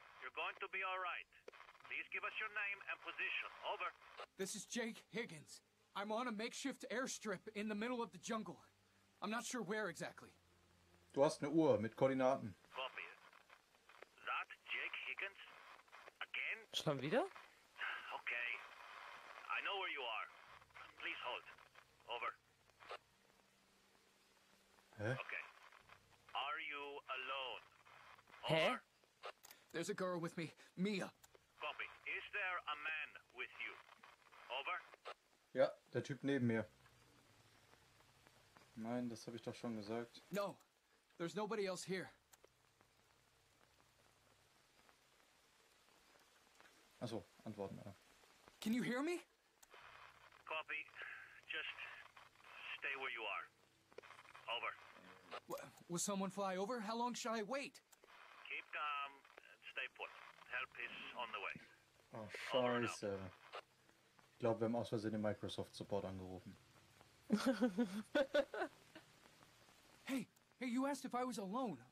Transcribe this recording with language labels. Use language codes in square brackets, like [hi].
[en] You're going to be all right. Please give us your name and position. Over. This is Jake Higgins. I'm on a makeshift airstrip in the middle of the jungle. I'm not sure where exactly. [de] Du hast eine Uhr mit Koordinaten. [en] Copy. That Jake Higgins? Again? [de] Schon wieder? [en] Okay. I know where you are. Please hold. Over. Hä? Okay. Are you alone? Hä? Over. There's a girl with me. Mia. Copy. Is there a man with you? Over. [de] Ja, der Typ neben mir. Nein, das habe ich doch schon gesagt. [en] No. There's nobody else here. [de] Achso, antworten. [en] Can you hear me? Copy. Just stay where you are. Over. Will someone fly over? How long shall I wait? Keep calm and stay put. Help is on the way. [de] Oh, scheiße. Ich glaube, wir haben aus Versehen den Microsoft-Support angerufen. [en] Hey, you asked if I was alone.